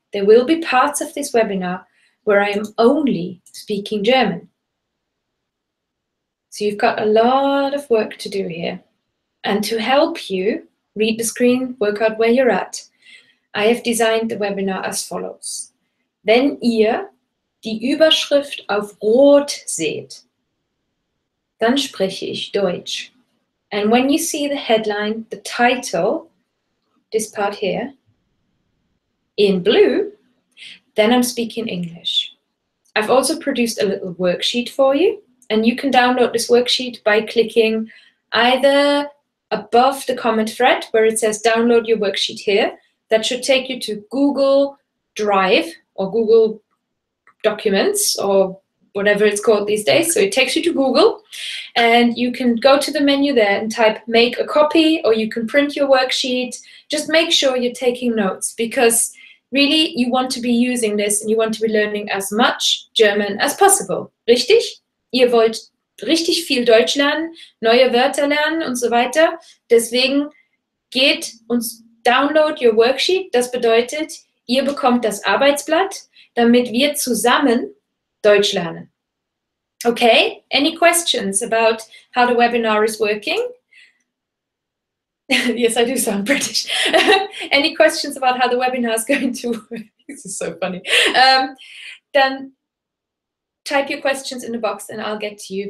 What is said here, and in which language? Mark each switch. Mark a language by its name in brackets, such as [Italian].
[English] There will be parts of this webinar where I am only speaking German. So you've got a lot of work to do here. And to help you read the screen, work out where you're at, I have designed the webinar as follows. [German] Wenn ihr die Überschrift auf Rot seht, dann spreche ich Deutsch. [English] And when you see the headline, the title, this part here, in blue, then I'm speaking English. I've also produced a little worksheet for you, and you can download this worksheet by clicking either above the comment thread where it says download your worksheet here. That should take you to Google Drive or Google Documents or whatever it's called these days. So it takes you to Google, and you can go to the menu there and type make a copy, or you can print your worksheet. Just make sure you're taking notes, because really you want to be using this and you want to be learning as much German as possible. [German] Richtig? Ihr wollt richtig viel Deutsch lernen, neue Wörter lernen und so weiter. Deswegen geht und [English] download your worksheet. [German] Das bedeutet, ihr bekommt das Arbeitsblatt, damit wir zusammen Deutsch lernen. [English] Okay, any questions about how the webinar is working? Yes, I do sound British. Any questions about how the webinar is going to work? This is so funny. Then type your questions in the box and I'll get to you.